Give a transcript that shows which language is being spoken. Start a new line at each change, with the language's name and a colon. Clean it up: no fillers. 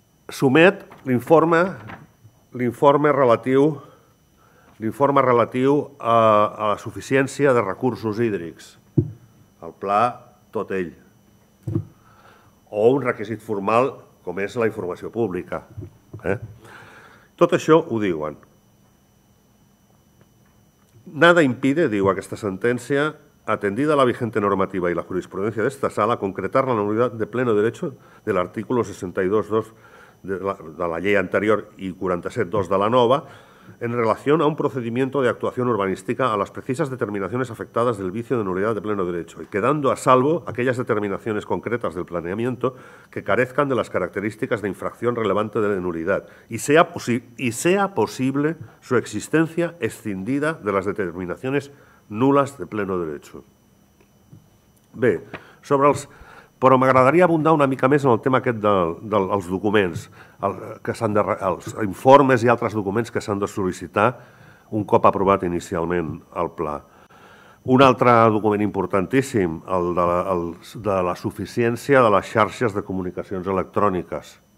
Catalan: Somet l'informe relatiu a la suficiència de recursos hídrics. El pla, tot ell. O un requisit formal, com és la informació pública. Tot això ho diuen.
Spanish: Nada impide,
Catalan: diu aquesta sentència,
Spanish: atendida la vigente normativa y la jurisprudencia de esta sala, concretar la nulidad de pleno derecho del artículo 62.2 de la ley anterior y 47.2
Catalan: de la nova
Spanish: en relación a un procedimiento de actuación urbanística a las precisas determinaciones afectadas del vicio de nulidad de pleno derecho y quedando a salvo aquellas determinaciones concretas del planeamiento que carezcan de las características de infracción relevante de la nulidad y sea posible su existencia escindida de las determinaciones nulas de pleno derecho.
Catalan: Bé, però m'agradaria abundar una mica més en el tema aquest dels documents, els informes i altres documents que s'han de sol·licitar un cop aprovat inicialment el pla. Un altre document importantíssim, el de la suficiència de les xarxes de comunicacions electròniques.